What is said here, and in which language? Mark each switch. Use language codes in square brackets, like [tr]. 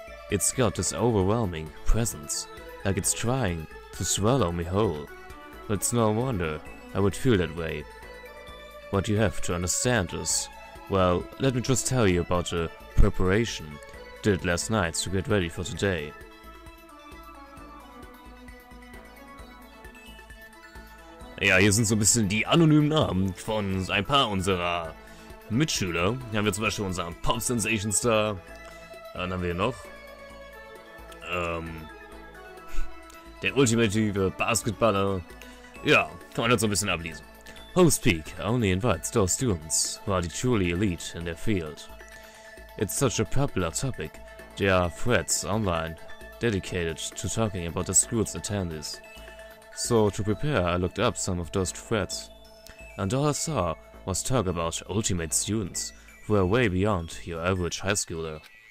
[en] It's got this overwhelming presence, like it's trying to swallow me whole. But it's no wonder I would feel that way. What you have to understand is, well, let me just tell you about the preparation I did last night to get ready for today. [de] Ja, hier sind so ein bisschen die anonymen Namen von ein paar unserer Mitschüler. Hier haben wir zum Beispiel unseren Pop Sensation Star. Dann haben wir noch der ultimative Basketballer. Ja, kann man das so ein bisschen ablesen. [en] Hope's Peak only invites those students who are the truly elite in their field. It's such a popular topic, there are threads online dedicated to talking about the school's attendees. So to prepare, I looked up some of those threads, and all I saw was talk about ultimate students who are way beyond your average high schooler.